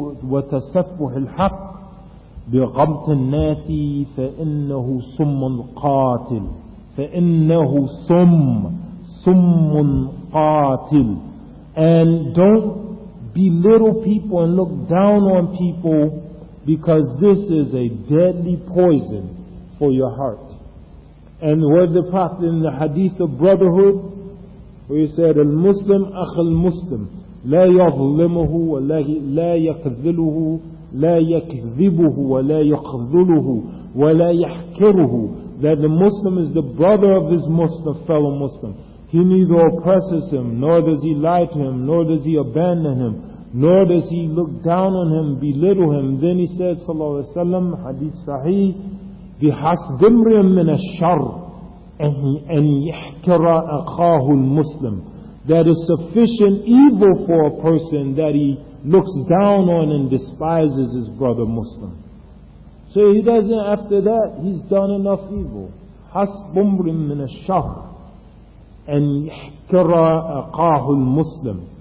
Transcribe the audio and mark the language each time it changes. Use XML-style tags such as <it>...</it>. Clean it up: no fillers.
<ar>وتسفه الحق بغمط الناس فإنه سم قاتل فإنه سم سم قاتل.</ar> <en>And don't belittle people and look down on people, because this is a deadly poison for your heart. And what the Prophet in the hadith of brotherhood, where he said,</en> <ar>المسلم أخ المسلم لا يظلمه ولا يكذله لا يكذبه ولا يخذله ولا يحكره.</ar> <en>That the Muslim is the brother of his Muslim, fellow Muslim. He neither oppresses him, nor does he lie to him, nor does he abandon him, nor does he look down on him, belittle him. Then he said, sallallahu alayhi wa sallam, hadith sahih,</en> <ar>بِحَسْبِ امْرِئٍ مِّنَ الشَّرِّ أَنْ يَحْكِرَ أَخَاهُ الْمُسْلِمِ.</ar> <en>That is sufficient evil for a person that he looks down on and despises his brother Muslim. So he doesn't, after that, he's done enough evil.</en> <ar>حَسْبُ امْرِئٍ مِّنَ الشَّرِّ أَنْ يَحْكِرَ أَخَاهُ الْمُسْلِمِ.</ar>